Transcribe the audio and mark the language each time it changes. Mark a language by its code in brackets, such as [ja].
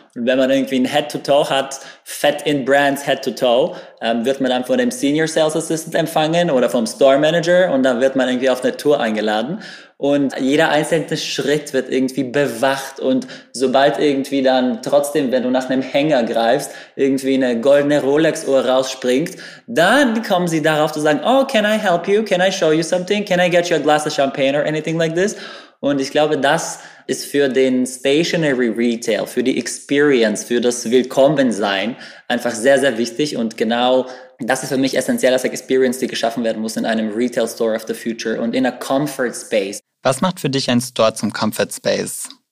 [de] Und wenn man irgendwie ein Head-to-Toe hat, Fat-in-Brands Head-to-Toe, wird man dann von dem Senior Sales Assistant empfangen oder vom Store Manager und dann wird man irgendwie auf eine Tour eingeladen. Und jeder einzelne Schritt wird irgendwie bewacht und sobald irgendwie dann trotzdem, wenn du nach einem Hänger greifst, irgendwie eine goldene Rolex-Uhr rausspringt, dann kommen sie darauf zu sagen, [en] oh, can I help you? Can I show you something? Can I get you a glass of champagne or anything like this? [de] Und ich glaube, das ist für den Stationary Retail, für die Experience, für das Willkommensein einfach sehr, sehr wichtig und genau das ist für mich essentiell als Experience, die geschaffen werden muss in einem Retail Store of the Future und [en] in a Comfort Space. [de] Was macht für dich ein Store zum Comfort Space?